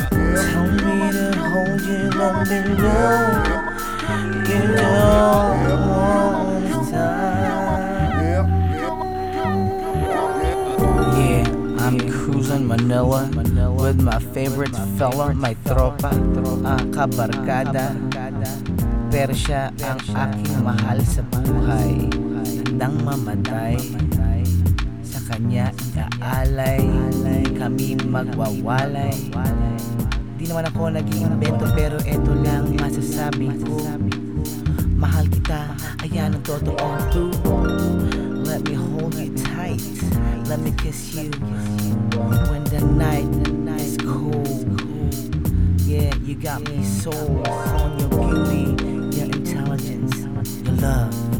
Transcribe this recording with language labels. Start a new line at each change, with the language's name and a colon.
English: Tell me to hold you, let me know. You don't wanna stop. Yeah, I'm cruising Manila with my favorite fella, my
Filipino: tropa, kabarkada. Pero siya ang aking mahal sa buhay. Nang mamatay sa kanya inaalay, kami magwawalay. Di naman ako nag-iimbento, pero eto lang masasabi ko. Mahal kita, ayan ang totoo.
English: Let me hold you tight, let me kiss you when the night is cold. Yeah, you got me sold on your beauty, your love.